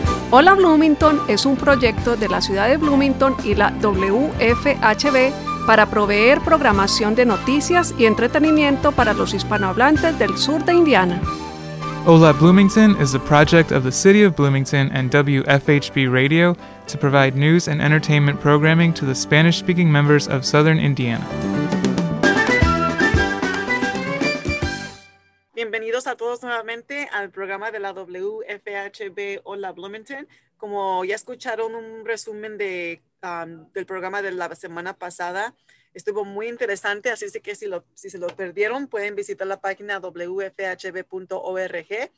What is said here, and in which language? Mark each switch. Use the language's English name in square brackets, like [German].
[Spanish] Hola Bloomington es un proyecto de la ciudad de Bloomington y la WFHB para proveer programación de noticias y entretenimiento para los hispanohablantes del sur de Indiana. [English] Hola Bloomington is a project of the City of Bloomington and WFHB Radio to provide news and entertainment programming to the Spanish-speaking members of Southern Indiana. [Spanish] Bienvenidos a todos nuevamente al programa de la WFHB Hola Bloomington. Como ya escucharon un resumen del programa de la semana pasada, estuvo muy interesante, así que si se lo perdieron, pueden visitar la página wfhb.org.